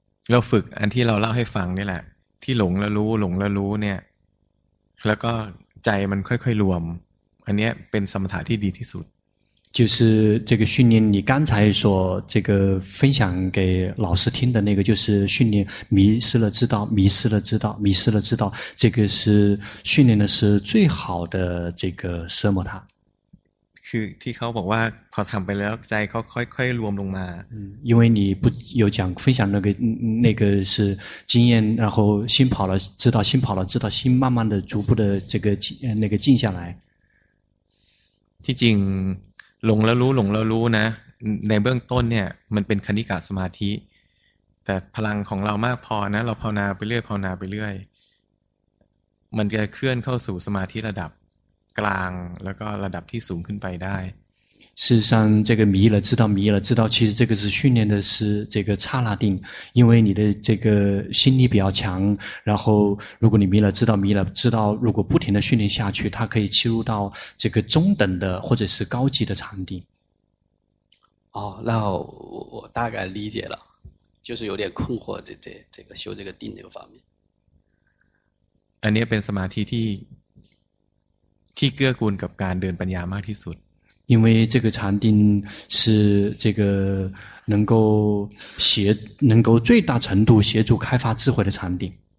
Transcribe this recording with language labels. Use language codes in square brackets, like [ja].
[th] เราฝึกอันที่เราเล่าให้ฟังนี่แหละที่หลงแล้วรู้หลงแล้วรู้เนี่ยแล้วก็ใจมันค่อยๆรวมอันนี้เป็นสมถะที่ดีที่สุด [zh] 就是这个训练你刚才所这个分享给老师听的那个就是训练迷失了知道迷失了知道迷失了知道这个是训练的是最好的这个奢摩他 [th] คือที่เขาบอกว่าพอทำไปแล้วใจเขาค่อยๆรวมลงมา [zh] 因为你不有讲分享那个是经验然后心跑了知道心跑了知道心慢慢的逐步的这个那个静下来 [th] ที่จริงหลงแล้วรู้หลงแล้วรู้นะในเบื้องต้นเนี่ยมันเป็นคณิกะสมาธิแต่พลังของเรามากพอนะเราภาวนาไปเรื่อยภาวนาไปเรื่อยมันจะเคลื่อนเข้าสู่สมาธิระดับกลางแล้วก็ระดับที่สูงขึ้นไปได้ [zh] 事实上这个迷了知道迷了知道其实这个是训练的是这个刹那定因为你的这个心力比较强然后如果你迷了知道迷了知道如果不停的训练下去它可以切入到这个中等的或者是高级的禅定哦那 我大概理解了就是有点困惑的 这个修这个定这个方面 [th] อันนี้เป็นสมาธิที่เกื้อกูลกับการเดินปัญญามากที่สุด [zh] 因为这个禅定是这个能够最大程度协助开发智慧的禅定。